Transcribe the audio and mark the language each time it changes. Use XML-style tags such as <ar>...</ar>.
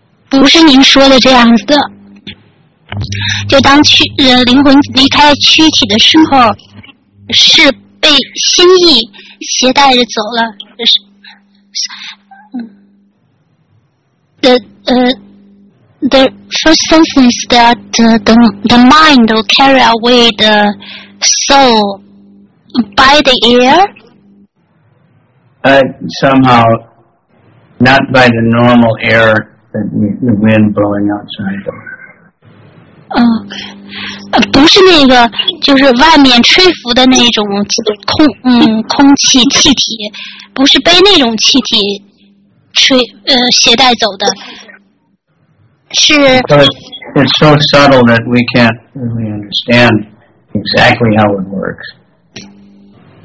<zh>不是您说的这样子的，就当灵魂离开躯体的时候，是被心意携带着走了，</zh> <en>The first sentence that the mind will carry away the soul by the air? Somehow, not by the normal air that the wind blowing outside.</en> <zh>不是那个，就是外面吹拂的那种空气气体，不是被那种气体携带走的。是</zh> <en>because it's so subtle that we can't really understand exactly how it works.</en>